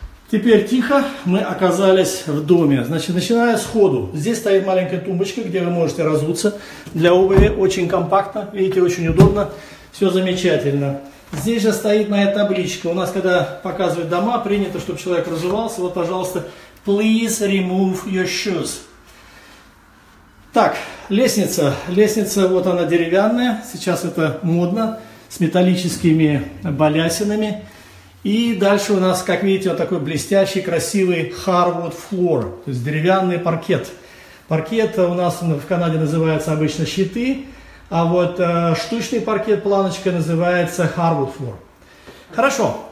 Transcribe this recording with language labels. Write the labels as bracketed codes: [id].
[ru] Теперь тихо, мы оказались в доме. Значит, начиная с ходу. Здесь стоит маленькая тумбочка, где вы можете разуться. Для обуви очень компактно, видите, очень удобно. Все замечательно. Здесь же стоит моя табличка. У нас, когда показывают дома, принято, чтобы человек разувался. Вот, пожалуйста, [en] please remove your shoes. [ru] Так, лестница. Лестница, вот она деревянная. Сейчас это модно, с металлическими балясинами. И дальше у нас, как видите, вот такой блестящий, красивый hardwood floor, то есть деревянный паркет. Паркет у нас в Канаде называется обычно щиты, а вот штучный паркет, планочка, называется hardwood floor. Хорошо,